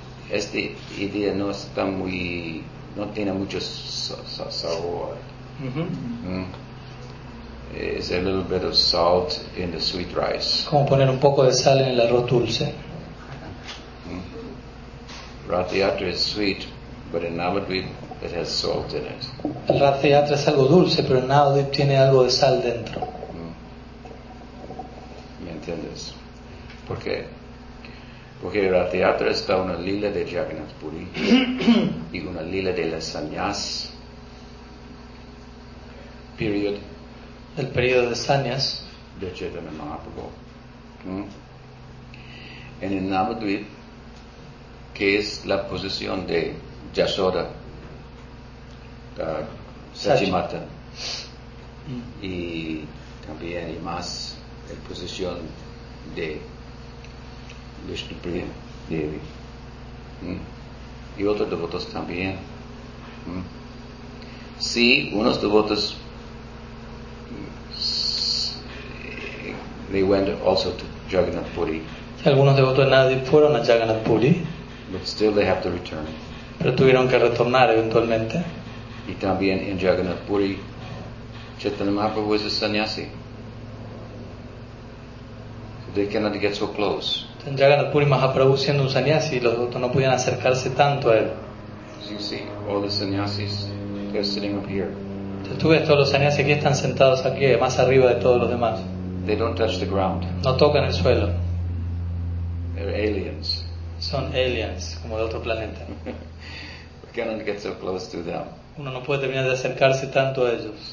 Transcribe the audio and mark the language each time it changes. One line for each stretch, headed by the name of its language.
Spanish: Esta idea no está muy, no tiene mucho sabor.
English: Es a little bit of salt in the sweet rice.
Spanish: Como poner un poco de sal en el arroz dulce.
English: Rath Yatra is sweet, but in Navadvip it has salt in it.
Spanish: El Rath Yatra es algo dulce, pero en Navadvip tiene algo de sal dentro. ¿Me entiendes? ¿Por qué? Porque el Rath Yatra está una lila de Jagannath Puri y una lila de la sannyas period. El periodo de sannyas de Chaitanya Mahaprabhu. En el Navadvip, que es la posición de Yashoda, Sachimata, y también y más la posición de Vishnu Priya Devi y otros devotos también. Si unos devotos
English: they went also to Jagannath Puri,
Spanish: algunos devotos de nadie fueron a Jagannath Puri,
English: but still they have to return.
Spanish: Pero tuvieron que retornar eventualmente. Y también en
English: Jagannath Puri, Chaitanya Mahaprabhu was a sannyasi. So they cannot get so close.
Spanish: En Jagannath Puri, Mahaprabhu siendo un sannyasi, los otros no podían acercarse tanto a él.
English: As you see, all the sannyasis, they're sitting up here.
Spanish: Entonces tú ves todos los sannyasis aquí están sentados aquí, más arriba de todos los demás.
English: They don't touch the ground.
Spanish: No tocan el suelo.
English: They're aliens.
Spanish: Son aliens, como de otro planeta.
English: We cannot get so close to them.
Spanish: Uno no puede terminar de acercarse tanto a ellos.